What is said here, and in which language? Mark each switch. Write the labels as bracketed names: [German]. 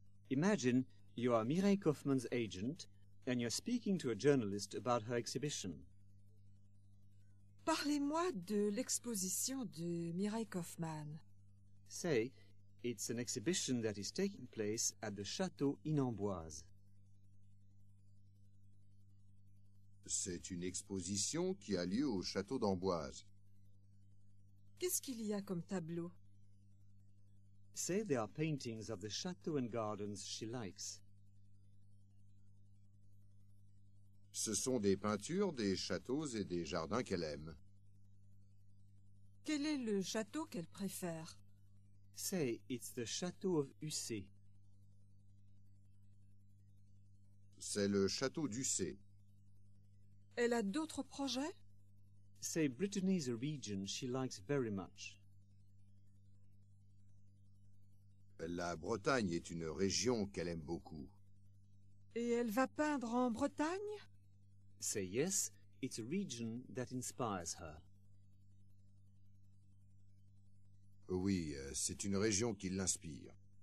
[English] Imagine you are Mireille Kaufmann's agent and you're speaking to a journalist about her exhibition. [French] Parlez-moi de l'exposition de Mireille Kaufmann. [English] Say, it's an exhibition that is taking place at the Château in Amboise. [French] C'est une exposition qui a lieu au château d'Amboise. Qu'est-ce qu'il y a comme tableau? [English] Say there are paintings of the château and gardens she likes. [French] Ce sont des peintures des châteaux et des jardins qu'elle aime. Quel est le château qu'elle préfère? [English] Say it's the château of Ussé. [French] C'est le château d'Ussé. Elle a d'autres projets? [English] Say Brittany is a region she likes very much. [French] La Bretagne est une région qu'elle aime beaucoup. Et elle va peindre en Bretagne? [English] Say yes, it's a region that inspires her. [French] Oui, c'est une région qui l'inspire.